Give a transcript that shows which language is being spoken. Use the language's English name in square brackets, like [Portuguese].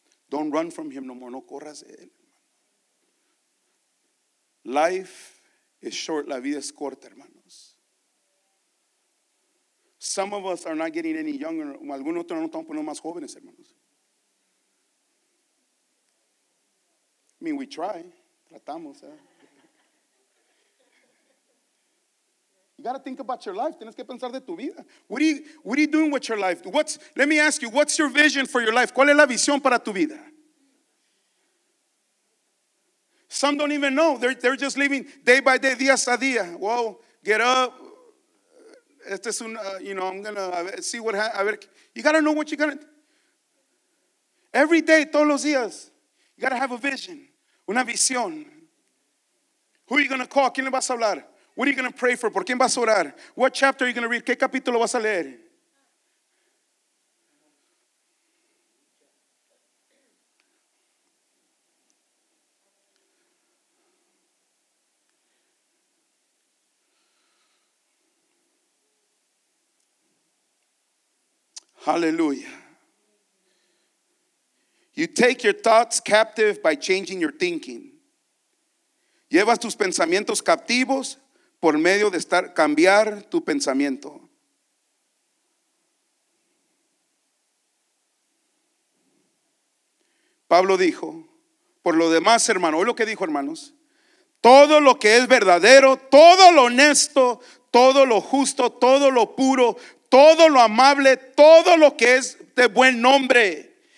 [English] Don't run from him no more. [Spanish] No corras de él. [English] Life is short. [Spanish] La vida es corta, hermanos. [English] Some of us are not getting any younger. [Spanish] Algunos otros no estamos poniendo más jóvenes, hermanos. [English] I mean, we try. [Spanish] Tratamos. [English] You got to think about your life. [Spanish] Tienes que pensar de tu vida. [English] What are you doing with your life? Let me ask you, what's your vision for your life? [Spanish] ¿Cuál es la visión para tu vida? [English] Some don't even know. They're just living day by day, [Spanish] día a día. [English] Well, get up. [Spanish] Este es un, [English] I'm going to see what happens. You got to know what you're going to do. Every day, [Spanish] todos los días, [English] you got to have a vision, [Spanish] una visión. [English] Who are you going to call? [Spanish] ¿Quién le vas a hablar? [English] What are you going to pray for? [Spanish] ¿Por quién vas a orar? [English] What chapter are you going to read? [Spanish] ¿Qué capítulo vas a leer? [English] Hallelujah. You take your thoughts captive by changing your thinking. [Spanish] Llevas tus pensamientos captivos por medio de cambiar tu pensamiento. Pablo dijo, por lo demás, hermano, oye lo que dijo, hermanos, todo lo que es verdadero, todo lo honesto, todo lo justo, todo lo puro, todo lo amable, todo lo que es de buen nombre.